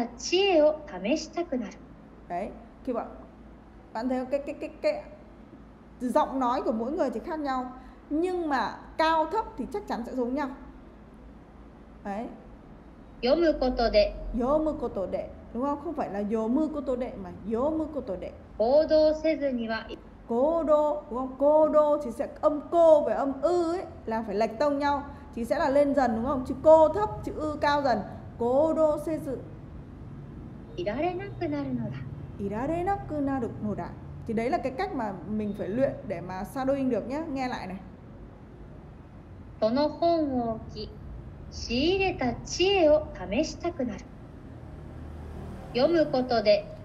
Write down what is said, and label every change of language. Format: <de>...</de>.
<ja>その本を置き仕入れた知恵を試したくなる.</ja> <vi>Đấy, khi bạn thấy cái giọng nói của mỗi người thì khác nhau, nhưng mà cao thấp thì chắc chắn sẽ giống nhau. Đấy.</vi> <ja>読むことで。</ja> <vi>đúng không? Không phải là</vi> <ja>読むことで</ja> <vi>mà 読むことで.</vi> <ja>行動せずには行動、行動、cô</ja> <vi>thì sẽ âm cô với âm ư ấy là phải lệch tông nhau thì sẽ là lên dần đúng không? Chữ cô thấp, chữ ư cao dần.</vi> <ja>行動せずいられなくなるのだ。いられなくなるのだ.</ja> <vi>Thì đấy là cái cách mà mình phải luyện để mà shadowing được nhé. Nghe lại này.</vi> <ja>その本を置き仕入れた知恵を試したくなる。読むことで</ja>